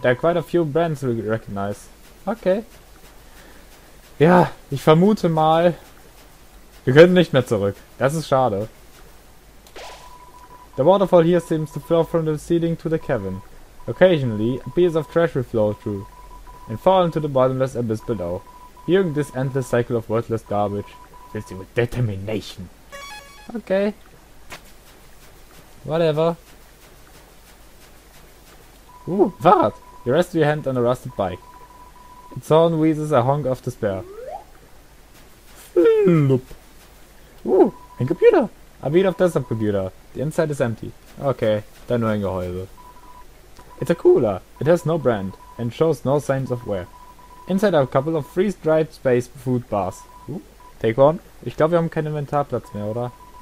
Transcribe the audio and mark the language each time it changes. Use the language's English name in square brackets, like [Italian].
[English] There are quite a few brands we recognize. Okay. [German] Ja, ich vermute mal, wir können nicht mehr zurück. Das ist schade. [English] The waterfall here seems to flow from the ceiling to the cavern. Occasionally, a piece of trash will flow through and fall into the bottomless abyss below. During this endless cycle of worthless garbage, fills you with determination. Okay. Whatever. [German] Fahrrad! [English] You rest your hand on a rusted bike. Its horn wheezes a honk of despair. Flup. [German] Ein Computer! [English] A bit of desktop computer. The inside is empty. [German] Okay, dann nur ein Gehäuse. [English] It's a cooler. It has no brand and shows no signs of wear. Inside are a couple of freeze-dried space food bars. Take one. [German] Ich glaube, wir haben keinen Inventarplatz mehr, oder?